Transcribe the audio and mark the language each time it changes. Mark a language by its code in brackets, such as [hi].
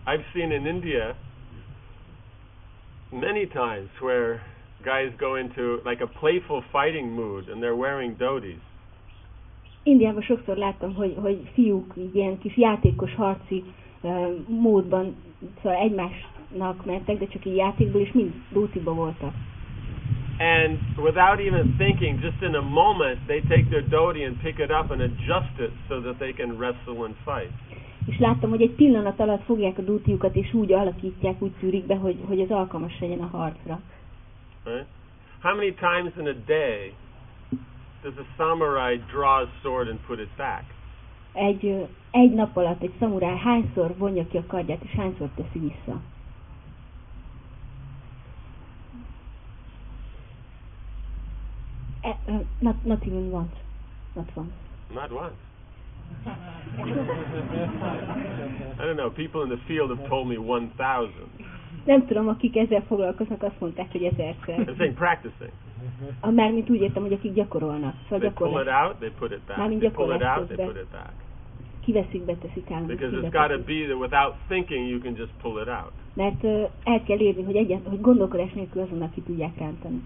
[en] I've seen in India, many times where guys go into like a playful fighting mood and they're wearing dhotis. [hu] Indiában sokszor láttam, hogy fiúk ilyen kis játékos harci módban, szóval egymásnak mentek, de csak így játékból, és mind dhotiba voltak. [en] And without even thinking, just in a moment, they take their dhoti and pick it up and adjust it so that they can wrestle and fight. [hu] És láttam, hogy egy pillanat alatt fogják a dútiukat, és úgy alakítják, úgy tűrik be, hogy az alkalmas legyen a harcra. [en] Right. How many times in a day does a samurai draw a sword and put it back? [hu] Egy nap alatt egy szamuráj hányszor vonja ki a kardját, és hányszor teszi vissza? [en] not even once. Not once. Not once. I don't know, people in the field have told me 1,000. [hu] Nem tudom, akik ezzel foglalkoznak, azt mondták, hogy 1,000-szer. [en] I'm saying practicing. [hu] Mármint úgy értem, hogy akik gyakorolnak. Szóval [en] they pull it out, they put it back. [hu] Mármint [en] they pull it out, they put it back. [hu] Kiveszik, beteszik állam. [en] Because it's got to be that without thinking you can just pull it out. [hu] Mert el kell érni, hogy hogy gondolkodás nélkül azonnal ki tudják rántani.